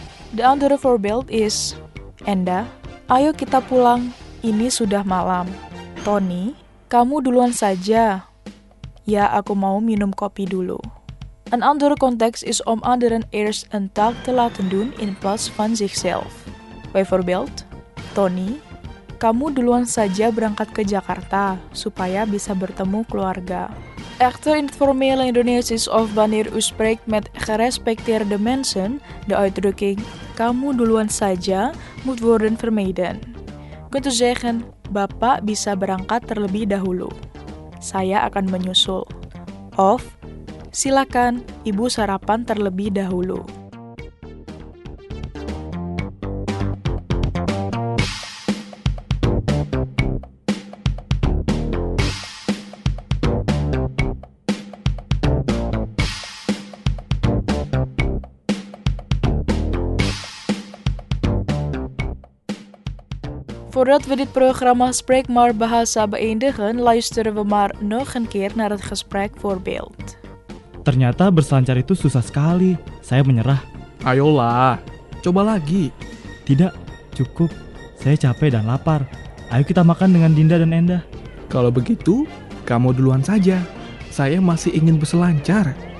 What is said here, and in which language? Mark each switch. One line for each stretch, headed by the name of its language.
Dutch: De andere voorbeeld is,
Indonesian: Enda, ayo kita pulang, ini sudah malam. Tony, kamu duluan saja. Ya, aku mau minum kopi dulu.
Dutch: Een andere context is om anderen eerst een taak te laten doen in plaats van zichzelf. Bijvoorbeeld,
Indonesian: Tony, kamu duluan saja berangkat ke Jakarta, supaya bisa bertemu keluarga.
Dutch: Echter in het formele Indonesisch of wanneer u spreekt met gerespecteerde mensen, de uitdrukking
Indonesian: kamu duluan saja
Dutch: moet worden vermeden. Kunt u zeggen,
Indonesian: bapak bisa berangkat terlebih dahulu. Saya akan menyusul. Of, silakan, ibu sarapan terlebih dahulu.
Dutch: Voordat we dit programma Spreek maar Bahasa beëindigen, luisteren we maar nog een keer naar het gesprek voorbeeld.
Indonesian: Ternyata berselancar itu susah sekali. Saya menyerah. Ayolah, coba lagi. Tidak, cukup. Saya capek dan lapar. Ayo kita makan dengan Dinda dan Enda. Kalau begitu, kamu duluan saja. Saya masih ingin berselancar.